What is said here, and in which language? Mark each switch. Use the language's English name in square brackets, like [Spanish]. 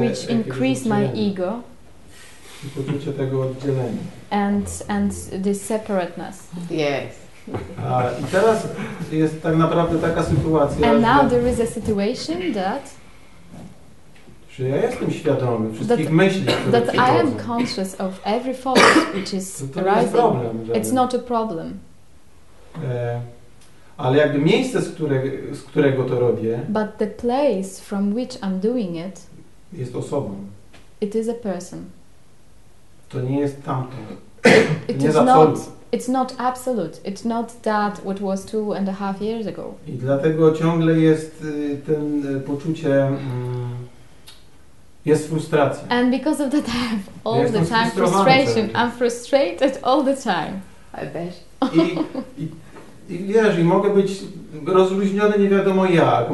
[English] which increased my ego. [Polish] I poczucie tego oddzielenia. [English] And this separateness. Yes. [Polish] I teraz jest tak naprawdę taka sytuacja. [English] And now there is a situation that [Polish] że ja jestem świadomy wszystkich myśli, które [English] that I am conscious of every thought which is arising. It's not a problem. [Polish] Ale jakby miejsce, z którego to robię, [English] but the place from which I'm doing it [Polish] jest osobą. [English] It is a person. [Polish] To nie jest tamto. [English] It's not absolute. It's not that what was 2.5 years ago. [Polish] I dlatego ciągle jest ten poczucie jest frustracja. [English] And because of that I have all the time frustration. I'm frustrated all the time. I bet. [Polish] I wiesz, i mogę być rozluźniony nie wiadomo jak.